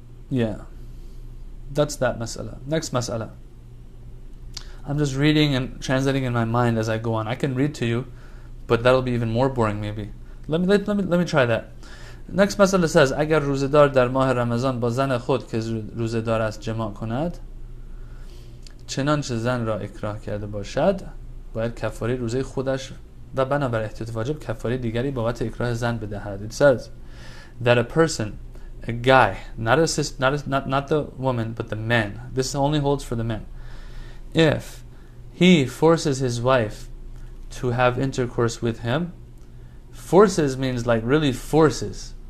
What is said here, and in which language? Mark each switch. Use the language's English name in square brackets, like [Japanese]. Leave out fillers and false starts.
[English] Yeah. That's that mas'ala. Next mas'ala. I'm just reading and translating in my mind as I go on. I can read to you, but that'll be even more boring maybe. Let me try that. Next mas'ala says, [Persian] اگر روزدار در ماه رمضان با زن خود که روزدار است جماع کند چنانچه زن را اکراه کرده باشد باید کفاره روزه خودش و بنابر احتیاط واجب کفاره دیگری بابت اکراه زن بدهد. [English] It says that a person, a guy, not the woman, but the man. This only holds for the man. If he forces his wife to have intercourse with him, forces means like really forces.